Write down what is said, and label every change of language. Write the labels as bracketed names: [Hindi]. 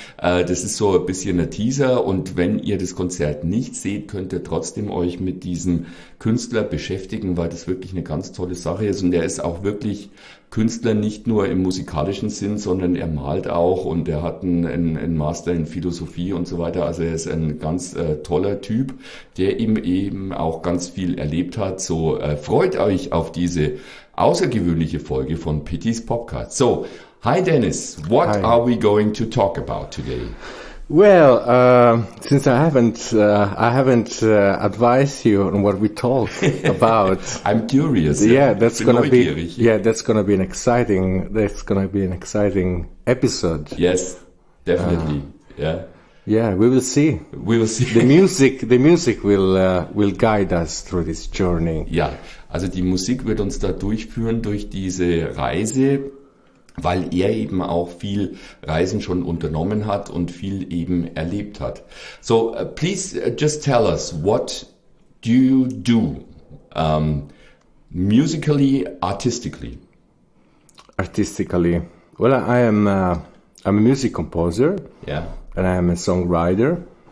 [German] Das ist so ein bisschen ein Teaser, und wenn ihr das Konzert nicht seht, könnt ihr trotzdem euch mit diesem Künstler beschäftigen, weil das wirklich eine ganz tolle Sache ist. Und er ist auch wirklich Künstler, nicht nur im musikalischen Sinn, sondern er malt auch und er hat einen Master in Philosophie und so weiter. Also er ist ein ganz toller Typ, der eben auch ganz viel erlebt hat. So freut euch auf diese außergewöhnliche Folge von Pittys Podcast. [English] So, hi Dennis, what hi. Are we going to talk about today? Well, since I haven't advised you on what we talk about, I'm curious. Yeah, that's gonna be an exciting episode. Yes, definitely. Yeah, we will see. The music will guide us through this journey. [German] Yeah, also die Musik wird uns da durchführen durch diese Reise, weil er eben auch viel Reisen schon unternommen hat und viel eben erlebt hat. [English] So, please just tell us, what do you do musically, artistically? Artistically. Well, I am I'm a music composer. Yeah. And I am a songwriter.